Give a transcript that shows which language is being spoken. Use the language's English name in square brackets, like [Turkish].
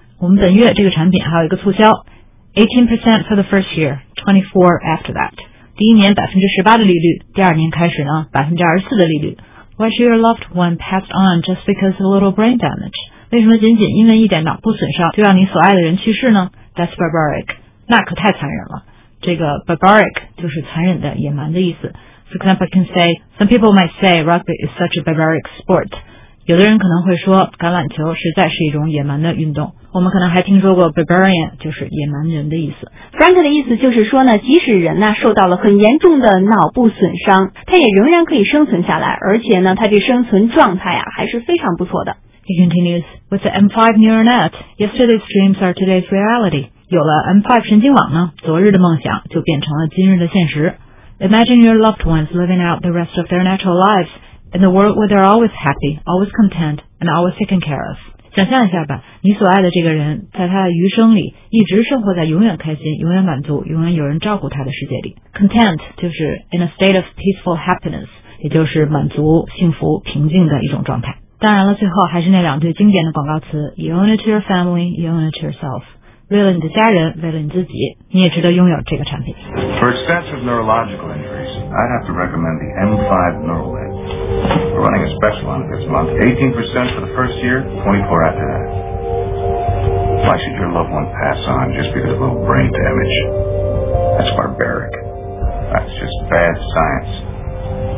[Chinese] 我们本月这个产品还有一个促销。 [English] 18% for the first year, 24 after that. [Chinese] 第一年 18% 的利率，第二年开始呢 24% 的利率。 [English] Why should your loved one pass on just because of a little brain damage? [Chinese] 为什么仅仅因为一点脑部损伤就让你所爱的人去世呢？ [English] That's barbaric. [Chinese] 那可太残忍了。这个 barbaric 就是残忍的、野蛮的意思。 [English] For example, I can say, some people might say rugby is such a barbaric sport. [Chinese] 有的人可能会说橄榄球实在是一种野蛮的运动。我们可能还听说过 barbarian 就是野蛮人的意思。 Frank 的意思就是说呢，即使人呢受到了很严重的脑部损伤，他也仍然可以生存下来，而且呢他这生存状态啊还是非常不错的。 [English] He continues, with the M5 neural net, yesterday's dreams are today's reality. [Chinese] 有了 M5 神经网呢，昨日的梦想就变成了今日的现实。 [English] Imagine your loved ones living out the rest of their natural lives in a world where they're always happy, always content, and always taken care of. [Chinese] 想象一下吧，你所爱的这个人在他的余生里一直生活在永远开心、永远满足、永远有人照顾他的世界里。 Content 就是 [English] in a state of peaceful happiness, [Chinese] 也就是满足、幸福、平静的一种状态。当然了，最后还是那两句经典的广告词 [English] You own it to your family, you own it to yourself. [Chinese] 为了你的家人，为了你自己，你也值得拥有这个产品。 [English] For extensive neurological injuries, I'd have to recommend the M5 neural net. We're running a special on it this month, 18% for the first year, 24 after that. Why should your loved one pass on just because of a little brain damage? That's barbaric. That's just bad science.